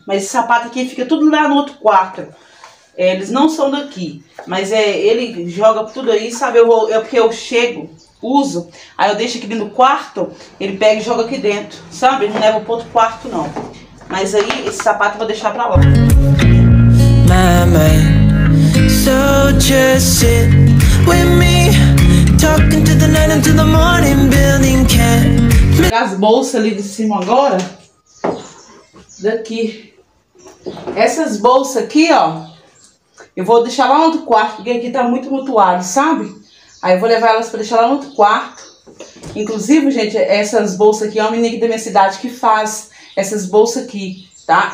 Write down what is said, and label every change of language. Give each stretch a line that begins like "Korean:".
Portuguese: Mas esse sapato aqui fica tudo lá no outro quarto. É, eles não são daqui. Mas é, ele joga tudo aí, sabe? Porque eu chego... uso, aí eu deixo aqui no quarto, ele pega e joga aqui dentro, sabe? Ele não leva pro outro quarto, não. Mas aí, esse sapato eu vou deixar pra lá.
English: My mind, so just sit with me, talking to the night until the morning, building camp.
Portuguese: Vou pegar as bolsas ali de cima agora, daqui. Essas bolsas aqui, ó, eu vou deixar lá no outro quarto, porque aqui tá muito mutuado, sabe? Aí eu vou levar elas pra deixar lá no outro quarto. Inclusive, gente, essas bolsas aqui, é uma menina aqui da minha cidade que faz essas bolsas aqui, tá?